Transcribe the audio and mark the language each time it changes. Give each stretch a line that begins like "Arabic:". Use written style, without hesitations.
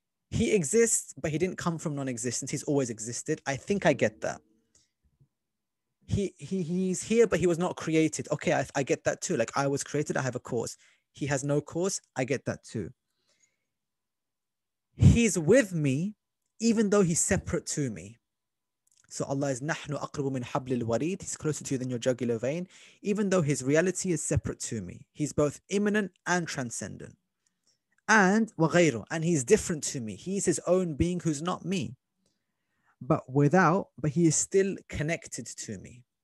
English: He exists, but he didn't come from non-existence. He's always existed. I think I get that. He's here, but he was not created. Okay, I get that too. Like, I was created, I have a cause. He has no cause. I get that too. He's with me, even though he's separate to me. So Allah is
Arabic: نَحْنُ أَقْرِبُ مِنْ حَبْلِ الْوَرِيدِ.
English: He's closer to you than your jugular vein. Even though his reality is separate to me, he's both immanent and transcendent. And وَغَيْرُ. And he's different to me. He's his own being who's not me. But he is still connected to me.